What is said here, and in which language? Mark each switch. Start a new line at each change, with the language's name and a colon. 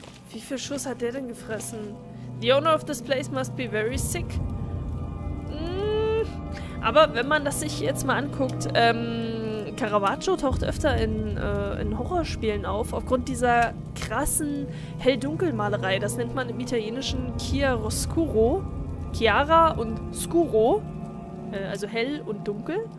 German: Wie viel Schuss hat der denn gefressen?
English: The owner of this place must be very sick.
German: Aber wenn man das sich jetzt mal anguckt, Caravaggio taucht öfter in Horrorspielen auf, aufgrund dieser krassen Hell-Dunkel-Malerei. Das nennt man im Italienischen Chiaroscuro. Chiara und Scuro, also hell und dunkel.